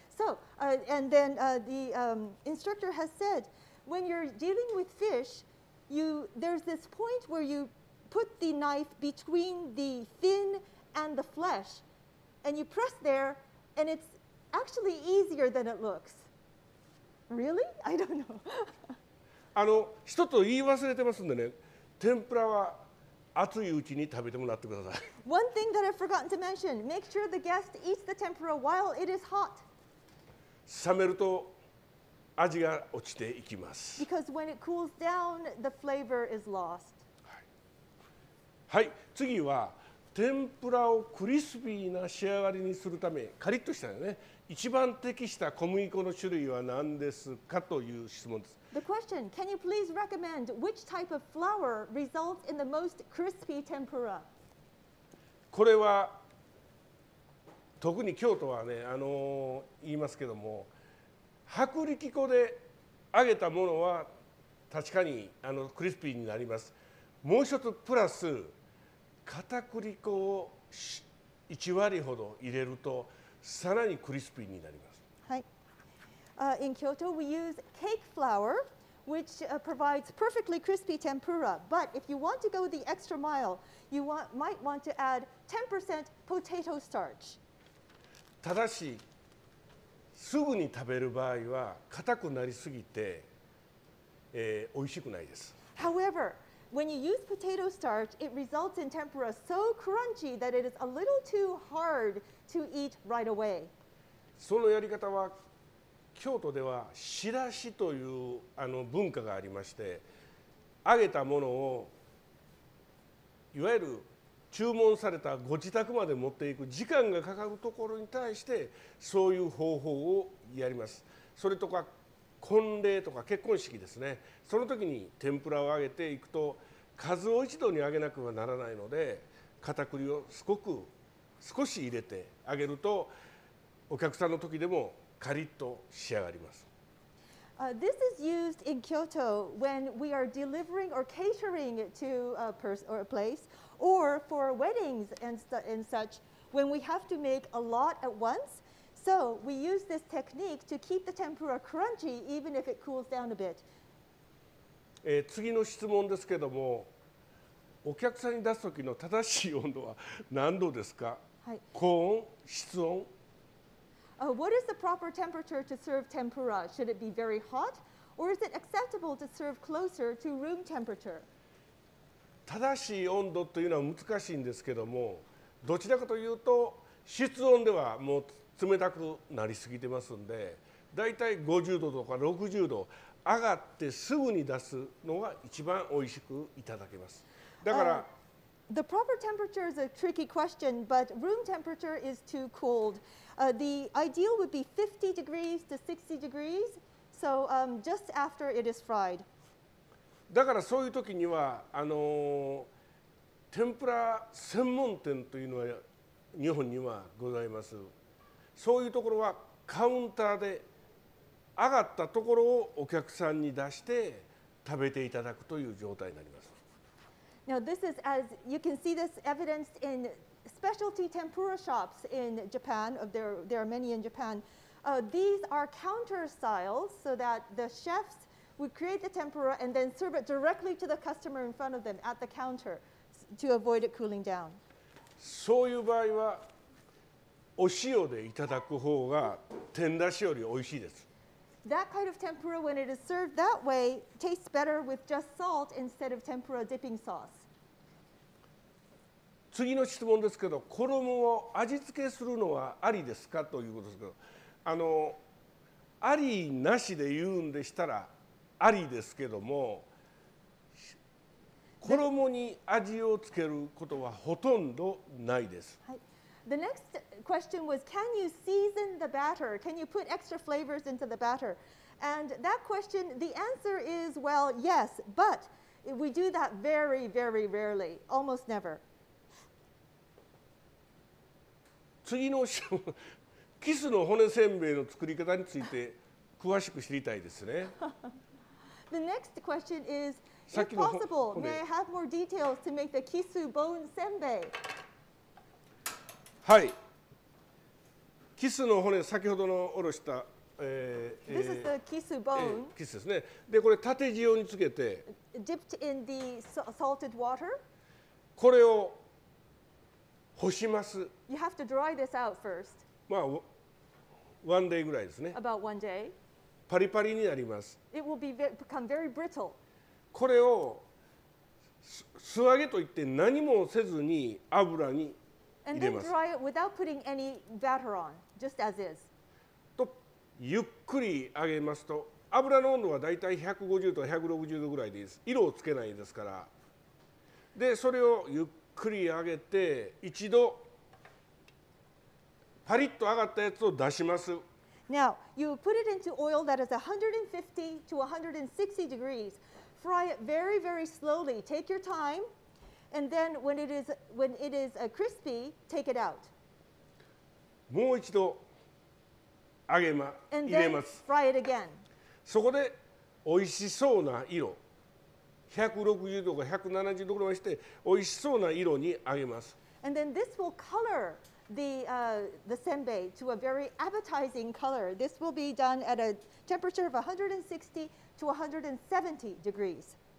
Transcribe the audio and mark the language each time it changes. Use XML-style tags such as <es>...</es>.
<en>So, and then the instructor has said, when you're dealing with fish, there's this point where you put the knife between the fin and the flesh, and you press there, and it's actually easier than it looks. Really? I don't know.</en> <ja>あの、一つ言い忘れてますんでね、天ぷらは熱いうちに食べてもらってください。</ja> <en>One thing that I've forgotten to mention, make sure the guest eats the tempura while it is hot.</en> <ja>冷めると味が落ちていきます。</ja> <en>Because when it cools down, the flavor is lost.</en> <ja>はい、はい、次は天ぷらをクリスピーな仕上がりにするため、カリッとしたよね。一番適した小麦粉の種類は何ですかという質問です。</ja> <en>The question, can you please recommend which type of flour results in the most crispy tempura?</en> <ja>これは特に京都はね、言いますけども、薄力粉で揚げたものは確かにクリスピーになります。もう一つプラス片栗粉を1割ほど入れると、さらにクリスピーになります。</ja> <en>はい。In Kyoto, we use cake flour, which provides perfectly crispy tempura. But if you want to go the extra mile, you might want to add 10% potato starch.</en> <ja>ただし、すぐに食べる場合は硬くなりすぎて、美味しくないです。</ja> <en>However, when you use potato starch, it results in tempura so crunchy that it is a little too hard. To eat right away.</en> <ja>そのやり方は京都ではしらしという文化がありまして、揚げたものをいわゆる注文されたご自宅まで持っていく時間がかかるところに対してそういう方法をやります。それとか婚礼とか結婚式ですね、その時に天ぷらを揚げていくと数を一度に揚げなくはならないので、片栗をすごく少し入れてあげると、お客さんの時でもカリッと仕上がります。</ja> <en>This is used in Kyoto when we are delivering or catering to a place, or for weddings and such, when we have to make a lot at once. So we use this technique to keep the tempura crunchy even if it cools down a bit.</en> <ja>次の質問ですけども、お客さんに出す時の正しい温度は何度ですか？</ja> <en>What is the proper temperature to serve tempura? Should it be very hot? Or is it acceptable to serve closer to room temperature?</en> <ja>正しい温度というのは難しいんですけども、どちらかというと室温ではもう冷たくなりすぎてますんで、だいたい50度とか60度上がってすぐに出すのが一番おいしくいただけます。だから、</ja> <en>The proper temperature is a tricky question, but room temperature is too cold. The ideal would be 50 degrees to 60 degrees, so just after it is fried.</en> <ja>だからそういう時には、天ぷら専門店というのは日本にはございます。そういうところはカウンターで上がったところをお客さんに出して食べていただくという状態になります。</ja> <en>Now this is as you can see this evidenced in specialty tempura shops in Japan. There are many in Japan. These are counter styles so that the chefs would create the tempura and then serve it directly to the customer in front of them at the counter to avoid it cooling down.</en> <ja>そういう場合はお塩でいただく方が天だしよりおいしいです。</ja> <en>That kind of tempura, when it is served that way, tastes better with just salt instead of tempura dipping sauce.</en> <ja>次の質問ですけど、衣を味付けするのはありですかということですけど、ありなしで言うんでしたらありですけども、衣に味をつけることはほとんどないです。はい。</ja> <en>The next question was, can you season the batter? Can you put extra flavors into the batter? And that question, the answer is, well, yes, but we do that very, very rarely, almost never.</en> <ja>次の質問、キスの骨せんべいの作り方について詳しく知りたいですね。</ja> <en>The next question is, if possible, may I have more details to make the kisu bone senbei?</en> <ja>はい、キスの骨、先ほどのおろした、</ja> <en>This is the kisu bone.</en> <ja>キスですね。で、これ縦塩につけて、</ja> <en>Dipped in the salted water.</en> <ja>これを干します。</ja> <en>You have to dry this out first.</en> <ja>まあ、ワンデイぐらいですね。</ja> <en>About one day.</en> <ja>パリパリになります。</ja> <en>It will be become very brittle.</en> <ja>これを素揚げといって何もせずに油に、</ja> <en>And then dry it without putting any batter on, just as is.</en> <ja>とゆっくり揚げますと、油の温度はだいたい150度160度ぐらいでいいです。色をつけないですから。で、それをゆっくり揚げて、一度パリッと揚がったやつを出します。</ja> <en>Now, you put it into oil that is 150 to 160 degrees. Fry it very, very slowly. Take your time. And then when it is a crispy, take it out.</en> <ja>もう一度揚げま、</ja> <en>And、</en> <ja>入れます。</ja> <en>Then fry it again.</en> <ja>そこで美味しそうな色、160度か170度ぐらいして美味しそうな色に揚げます。</ja> <en>And then this will color the senbei to a very appetizing color. This will be done at a temperature of 160 to 170 degrees.</en>